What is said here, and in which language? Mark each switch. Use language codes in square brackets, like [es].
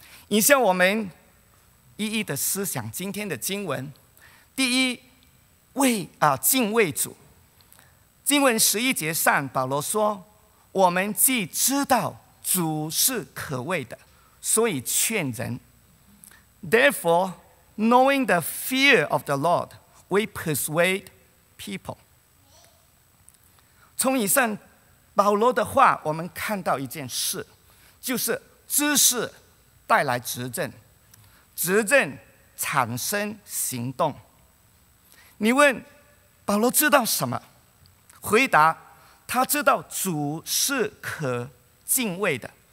[zh] 以下我们一一的思想今天的经文。第一，敬畏主。经文十一节上，保罗说：“我们既知道主是可畏的，所以劝人。 [en] Therefore, knowing the fear of the Lord, we persuade people.” [zh] 从以上保罗的话，我们看到一件事，就是知识带来执政，执政产生行动。你问保罗知道什么？回答：他知道主是可敬畏的。